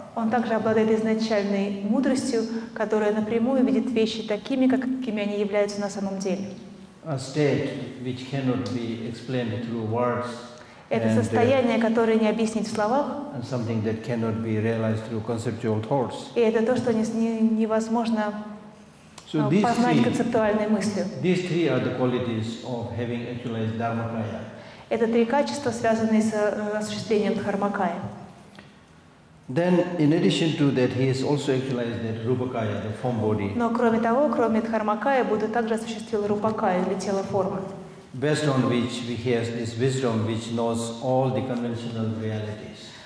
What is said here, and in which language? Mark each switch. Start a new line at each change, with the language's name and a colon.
Russian: Он также обладает изначальной мудростью, которая напрямую видит вещи такими, какими они являются на самом деле.
English: A state which cannot be explained through words.
Russian: Это состояние, которое не объяснить в словах.
English: And something that cannot be realized through conceptual thoughts.
Russian: И это то, что невозможно.
English: So these three are the qualities of having actualized dharmakaya.
Russian: Это три качества, связанные с осуществлением дхармакая.
English: Then, in addition to that, he has also actualized that rupakaya, the form body.
Russian: Но кроме того, кроме дхармакая, Будда также осуществил рупакая, или тело формы.
English: Based on which he has this wisdom, which knows all the conventional realities.